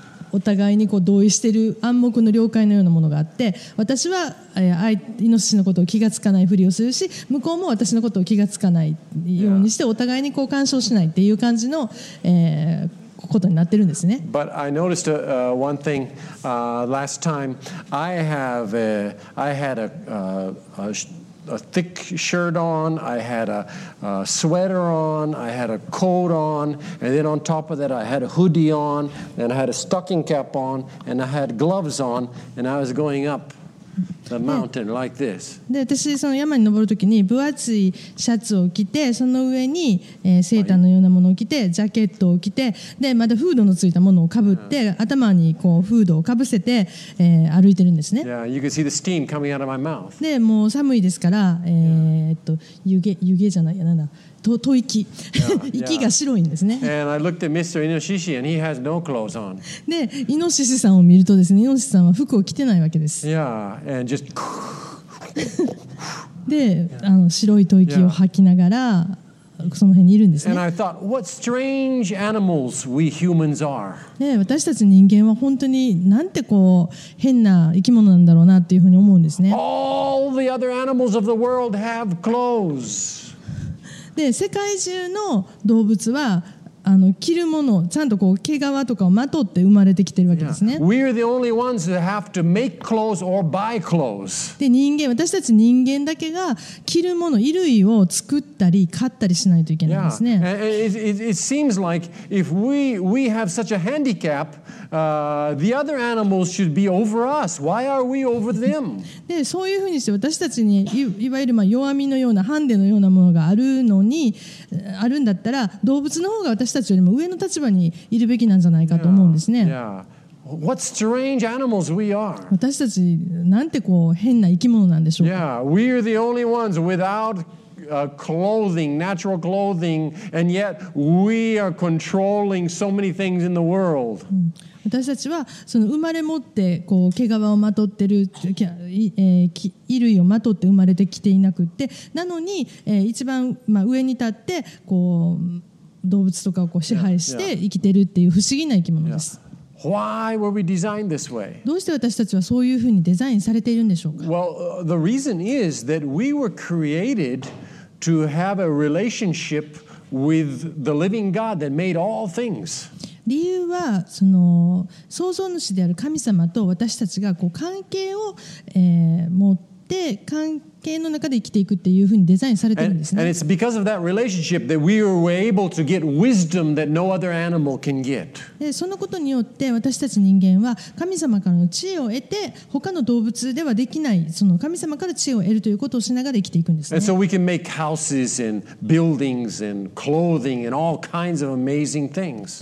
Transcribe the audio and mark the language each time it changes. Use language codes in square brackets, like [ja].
[ja] お互いにこう同意している暗黙の了解のようなものがあって私は、イノシシのことを気がつかないふりをするし向こうも私のことを気がつかないようにして、yeah. お互いにこう干渉しないっていう感じの、ことになってるんですね [en] But I noticed one thing last time I had a thick shirt on, I had a sweater on, I had a coat on, and then on top of that I had a hoodie on, and I had a stocking cap on, and I had gloves on, and I was going up the mountain like this. [ja] で、私その山に登るときに分厚いシャツを着て、その上に、セーターのようなものを着て、ジャケットを着て、で、まだフードのついたものをかぶって、頭にこうフードをかぶせて、歩いてるんですね。 [en] Yeah, you can see the steam coming out of my mouth. [ja] で、もう寒いですから、湯気じゃないやなんだ。吐息、息が白いんですね。 [en] And I looked at Mr. Inoshishi and he has no clothes on. [ja] で、イノシシさんを見るとですね、イノシシさんは服を着てないわけです。 [en] Yeah, and just [ja] で、白い吐息を吐きながら、その辺にいるんですね。 [en] And I thought, what strange animals we humans are. [ja] で、私たち人間は本当になんてこう変な生き物なんだろうなっていうふうに思うんですね。 [en] All the other animals of the world have clothes. [ja] で世界中の動物は着るものちゃんとこう毛皮とかをまとって生まれてきてるわけですね。 [en] Yeah. We're the only ones that have to make clothes or buy clothes. [ja] で人間私たち人間だけが着るもの衣類を作ったり買ったりしないといけないんですね。 [en] Yeah. It seems like if we have such a handicap, the other animals should be over us. Why are we over them? [ja] でそういうふうにして私たちにいわゆるまあ弱みのようなハンデのようなものがあるのにあるんだったら動物の方が私たちよりも上の立場にいるべきなんじゃないかと思うんですね。 [en] yeah, yeah. What strange animals we are. [ja] 私たちなんてこう変な生き物なんでしょうか。 [en] yeah, We are the only ones without clothing, natural clothing, and yet we are controlling so many things in the world. [ja] 私たちはその生まれ持ってこう毛皮をまとってる、衣類をまとって生まれてきていなくってなのに、一番、まあ、上に立ってこう動物とかをこう支配して生きてるっていう不思議な生き物です。 [en] Why were we designed this way? [ja] どうして私たちはそういうふうにデザインされているんでしょうか? [en] Well, the reason is that we were created to have a relationship with the living God that made all things. [ja] 理由はその創造主である神様と私たちがこう関係を、持って関係系の中で生きていくっていうふうにデザインされてるんですね。 [en] And it's because of that relationship that we were able to get wisdom that no other animal can get. [ja] で、そのことによって私たち人間は神様からの知恵を得て他の動物ではできないその神様から知恵を得るということをしながら生きていくんですね。 [en] And so we can make houses and buildings and clothing and all kinds of amazing things.